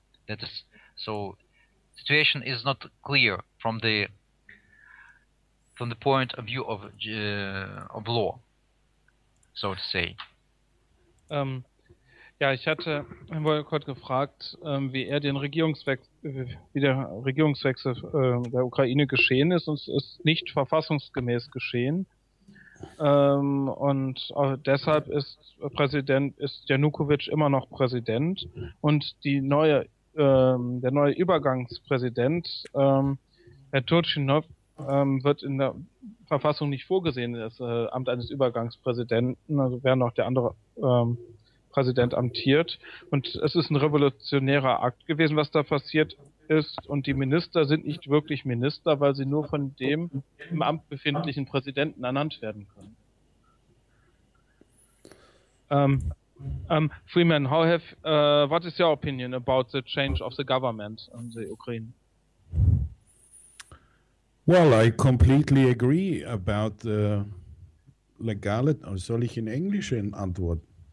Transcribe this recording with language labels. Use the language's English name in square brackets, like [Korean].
[English] That is, so situation is not clear from the point of view of law, so to say. [German] Ja, ich hatte Herrn Wolkott gefragt, wie er den Regierungswechsel der Ukraine geschehen ist, und es ist nicht verfassungsgemäß geschehen. Und deshalb ist Janukowitsch immer noch Präsident, und der neue Übergangspräsident, Herr Turchinov, wird in der Verfassung nicht vorgesehen, das Amt eines Übergangspräsidenten, also wäre noch der andere Präsident amtiert. Und es ist ein revolutionärer Akt gewesen, was da passiert ist. Und die Minister sind nicht wirklich Minister, weil sie nur von dem im Amt befindlichen Präsidenten ernannt werden können. [English] Freeman, what is your opinion about the change of the government in the Ukraine? Well, I completely agree about the legality. [German] Soll ich in Englisch antworten?